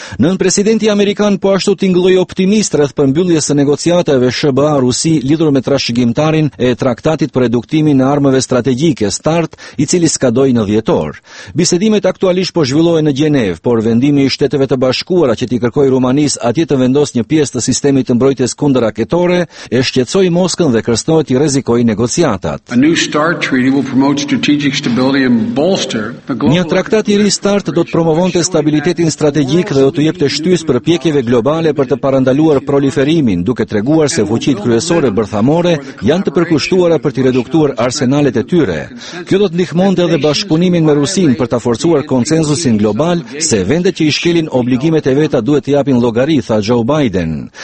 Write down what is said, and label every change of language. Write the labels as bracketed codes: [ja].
[sq] Nën presidenti amerikan po ashtu tingëlloi optimist rreth përmbylljes së negociatave SBA-Rusi lidhur me trashëgimin e traktatit për reduktimin e armëve strategjike START, i cili skadoi në dhjetor. Bisedimet aktualisht po zhvillohen në Gjenevë, por vendimi i Shteteve të Bashkuara që t'i kërkoi Rumanisë atje të vendosë një pjesë të sistemit të mbrojtjes kundër raketore e shqetësoi Moskën dhe kërstohet i rrezikojë negociatat. [en] A new START treaty will promote strategic stability and bolster the global. [sq] Një traktat i ri START do të promovonte stabilitetin strategjik dhe do të jepte shtysë për pjekjeve globale për të parandaluar proliferimin, duke treguar se fuqitë kryesore bërthamore janë të përkushtuara për të reduktuar arsenalet e tyre. Kjo do të ndihmonte edhe bashkëpunimin me Rusinë për ta forcuar konsensusin global se vendet që i shkelin obligimet e veta duhet të japin llogari, tha Joe Biden.